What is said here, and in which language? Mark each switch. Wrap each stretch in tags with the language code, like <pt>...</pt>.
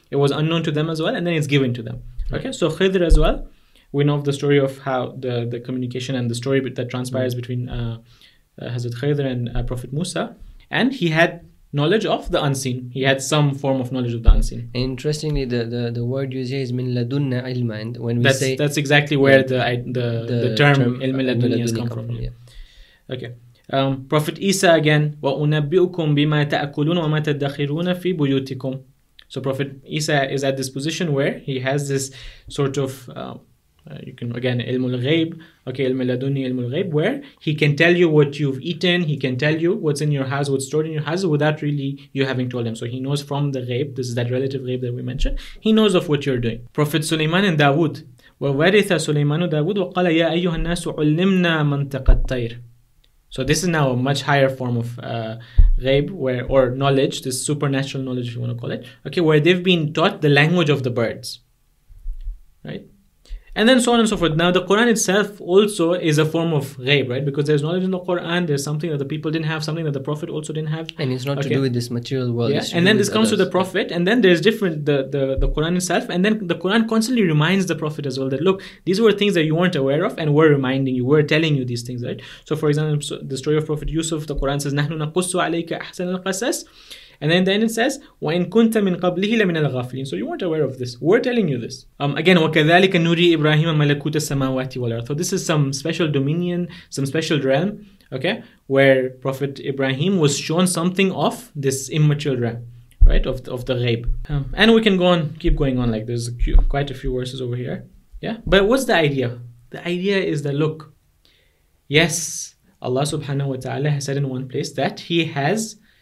<en>It was unknown to them as well, and then it's given to them. Okay, so Khidr as well, we know of the story of how the communication and the story that transpires between Hazrat Khidr and Prophet Musa. And he had knowledge of the unseen. He had some form of knowledge of the unseen. Interestingly, the word used here is min ladunna ilma. And when we say... That's exactly where the term ilmi ladunni has come from. Okay. Prophet Isa again,</en> <ar>وَأُنَبِّئُكُمْ بِمَا تَأَكُلُونَ وَمَا تَدَّخِرُونَ فِي بُيُوتِكُمْ.</ar> <en>So Prophet Isa is at this position where he has this sort of, you can again, ilmul ghayb, okay, ilmul ladunni, ilmul ghayb, where he can tell you what you've eaten, he can tell you what's in your house, what's stored in your house, without really you having told him. So he knows from the ghayb, this is that relative ghayb that we mentioned, he knows of what you're doing. Prophet Sulaiman and Dawood,</en> <ar>وَوَرِثَ سُلَيْمَانُ دَاوُدُ وَقَالَ يَا أَيُّهَا النَّاسُ عُلِّمْنَا مَنْتَقَ الطَّيْرِ.</ar> <en>So this is now a much higher form of ghayb or knowledge, this supernatural knowledge, if you want to call it, okay, where they've been taught the language of the birds, right? And then so on and so forth. Now, the Quran itself also is a form of ghayb, right? Because there's knowledge in the Quran, there's something that the people didn't have, something that the Prophet also didn't have. And it's not to do with this material world. Yeah. And then this comes to the Prophet, and then there's different, the Quran itself, and then the Quran constantly reminds the Prophet as well that, look, these were things that you weren't aware of, and we're reminding you, we're telling you these things, right? So, for example, the story of Prophet Yusuf, the Quran says,</en> <ar>نَحْنُ نَقُصُّ عَلَيْكَ أَحْسَنَ الْقَصَصِ.</ar> <en>And then it says,</en> <ar>وَإِنْ كُنْتَ مِنْ قَبْلِهِ لَمِنَ الْغَافِلِينَ.</ar> <en>So you weren't aware of this. We're telling you this. Again,</en> <ar>وَكَذَلِكَ نُرِي إِبْرَاهِيمَ مَلَكُوتَ السَّمَاوَاتِ وَالْأَرْضِ.</ar> <en>So this is some special dominion, some special realm, okay, where Prophet Ibrahim was shown something of this immature realm, right, of the ghayb. And we can go on, keep going on, like there's quite a few verses over here. Yeah, but what's the idea? The idea is that, look, yes, Allah subhanahu wa ta'ala has said in one place that he has...</en>